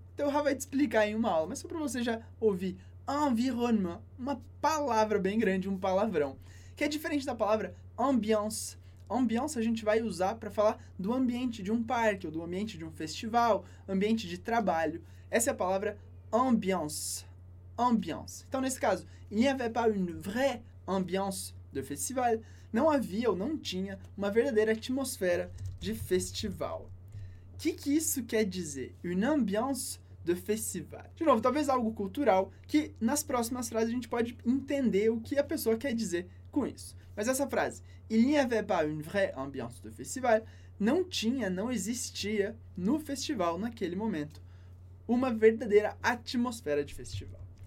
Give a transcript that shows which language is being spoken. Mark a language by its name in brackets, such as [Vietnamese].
[Portuguese] Então o Rafa vai te explicar em uma aula, mas só para você já ouvir environnement, uma palavra bem grande, um palavrão, que é diferente da palavra ambiance. Ambiance a gente vai usar para falar do ambiente de um parque, ou do ambiente de um festival, ambiente de trabalho. Essa é a palavra ambiance. [French] Ambiance. [Portuguese] Então, nesse caso, [French] il n'y avait pas une vraie ambiance de festival. [Portuguese] Não havia ou não tinha uma verdadeira atmosfera de festival. O que, que isso quer dizer? [French] Une ambiance de festival. [Portuguese] De novo, talvez algo cultural que nas próximas frases a gente pode entender o que a pessoa quer dizer com isso. Mas essa frase, [French] il n'y avait pas une vraie ambiance de festival, [Portuguese] não tinha, não existia no festival naquele momento uma verdadeira atmosfera de festival.